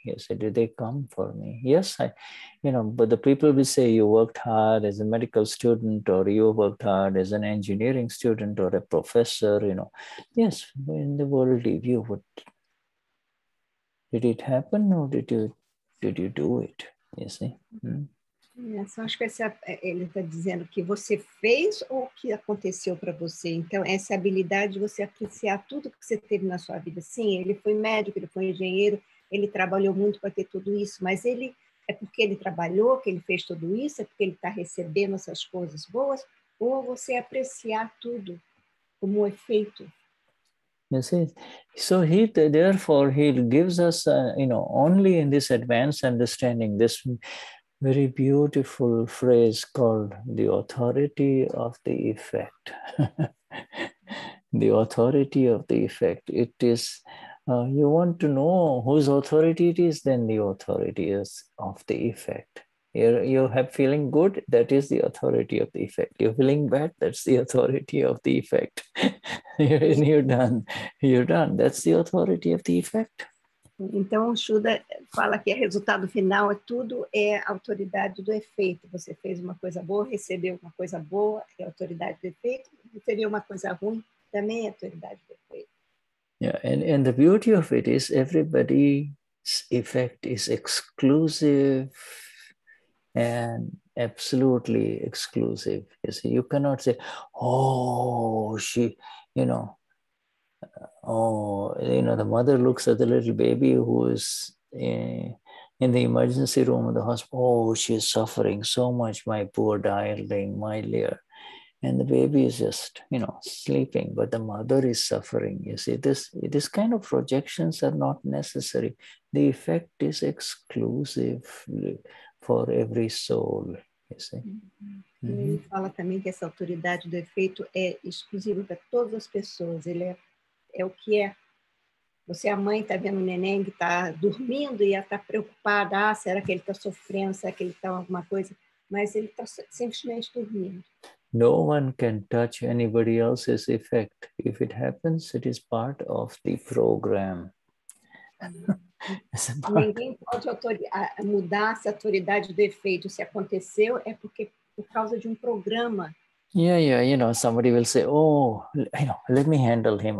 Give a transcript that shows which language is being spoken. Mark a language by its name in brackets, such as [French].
[English] Yes, did they come for me? Yes, I, you know, but the people will say you worked hard as a medical student, or you worked hard as an engineering student or a professor, you know. Yes, in the worldly view, but did it happen or did you do it? You see? [Portuguese] Yes, acho que ele está dizendo que você fez ou que aconteceu para você. Então, essa habilidade de você apreciar tudo que você teve na sua vida. Sim, ele foi médico, ele foi engenheiro, ele trabalhou muito para ter tudo isso, mas ele é porque ele trabalhou, que ele fez tudo isso, é porque ele está recebendo essas coisas boas, ou você apreciar tudo como um efeito. [English] So he, therefore, he gives us, you know, only in this advanced understanding, this very beautiful phrase called the authority of the effect. The authority of the effect. It is You want to know whose authority it is, then the authority is of the effect. You have feeling good, that is the authority of the effect. You're feeling bad, that's the authority of the effect. you're done. That's the authority of the effect. [Portuguese] Então, o Shuddha fala que o resultado final é tudo é autoridade do efeito. Você fez uma coisa boa, recebeu uma coisa boa, é autoridade do efeito. Teria uma coisa ruim, também é autoridade do efeito. [English] Yeah, and the beauty of it is everybody's effect is exclusive and absolutely exclusive. You see, you cannot say, the mother looks at the little baby who is in the emergency room of the hospital. Oh, she is suffering so much, my poor darling, my dear. And the baby is just, you know, sleeping, but the mother is suffering. You see, this kind of projections are not necessary. The effect is exclusive for every soul, you see. Mm-hmm. [Portuguese] Mm-hmm. Ele fala também que essa autoridade do efeito é exclusiva para todas as pessoas. Ele é o que é. Você, a mãe, está vendo o neném que está dormindo e ela está preocupada. Ah, será que ele está sofrendo? Será que ele está alguma coisa? Mas ele está simplesmente dormindo. [English] No one can touch anybody else's effect. If it happens, it is part of the program. [Portuguese] Ninguém pode mudar essa autoridade do efeito. Se aconteceu, é porque por causa de programa. [English] Yeah, you know, somebody will say, oh, you know, let me handle him.